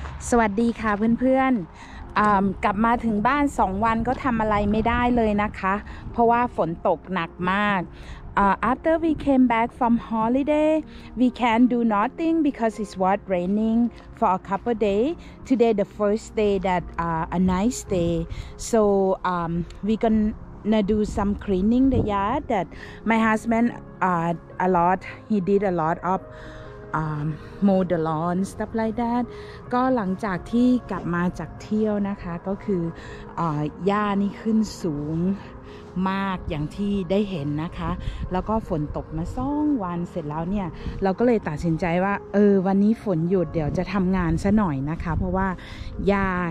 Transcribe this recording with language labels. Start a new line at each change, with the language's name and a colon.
Thai: สวัสดีค่ะเพื่อนกลับมาถึงบ้าน2วันก็ทำอะไรไม่ได้เลยนะคะเพราะว่าฝนตกหนักมาก
English: After we came back from holiday, we can do nothing because it was raining for a couple days. Today the first day that a nice day. So we gonna do some cleaning the yard that my husband a lot. He did a lot of mow the lawn stuff like that.
Thai: ก็หลังจากที่กลับมาจากเที่ยวนะคะก็คือหญ้านี่ขึ้นสูงมากอย่างที่ได้เห็นนะคะแล้วก็ฝนตกมา2วันเสร็จแล้วเนี่ยเราก็เลยตัดสินใจว่าวันนี้ฝนหยุดเดี๋ยวจะทำงานซะหน่อยนะคะเพราะว่าหญ้า